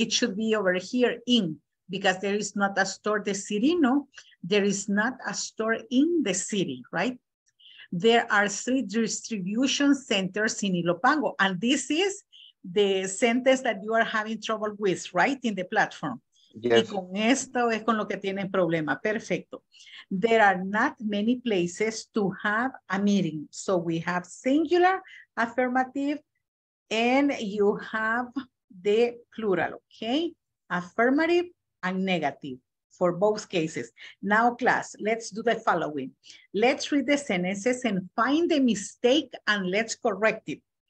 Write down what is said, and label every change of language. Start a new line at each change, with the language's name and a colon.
English: It should be over here in, because there is not a store in the city, no. There is not a store in the city, right? There are three distribution centers in Ilopango. And this is the sentence that you are having trouble with, right, in the platform. Yes.
Spanish: Y con esto es con lo que tienen problema. Perfecto.
English: There are not many places to have a meeting. So we have singular, affirmative, and you have the plural, okay? Affirmative and negative for both cases. Now class, let's do the following. Let's read the sentences and find the mistake and let's correct it.